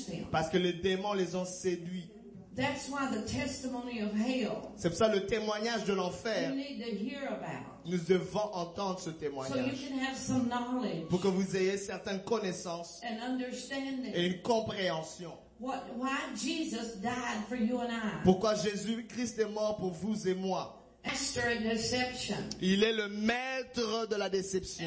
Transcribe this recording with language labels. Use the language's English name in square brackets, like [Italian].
[French] Parce que les démons les ont séduits. [English] That's why the testimony of hell, [French] c'est pour ça le témoignage de l'enfer. [English] You need to hear about. [French] Nous devons entendre ce témoignage. [English] So you can have some knowledge, [French] pour que vous ayez certaines connaissances [English] and understanding, [French] et une compréhension. [English] Why Jesus died for you and I. [French] Pourquoi Jésus-Christ est mort pour vous et moi. [English] Master of deception. [French] Il est le maître de la déception.